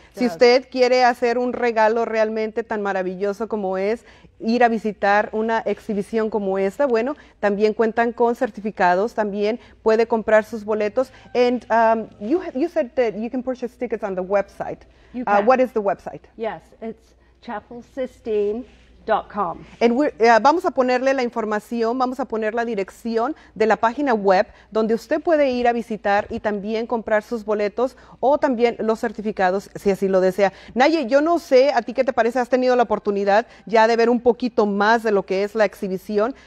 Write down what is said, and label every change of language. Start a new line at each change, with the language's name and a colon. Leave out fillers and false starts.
Spanish: Si usted quiere hacer un regalo realmente tan maravilloso como es ir a visitar una exhibición como esta, bueno, también cuentan con certificados, también puede comprar sus boletos.
English: And you said that you can purchase tickets on the website. You can. What is the website? Yes, it's chapelsistine.com.
Spanish: And vamos a ponerle la información, vamos a poner la dirección de la página web donde usted puede ir a visitar y también comprar sus boletos o también los certificados si así lo desea. Naye, yo no sé, ¿a ti qué te parece? ¿Has tenido la oportunidad ya de ver un poquito más de lo que es la exhibición?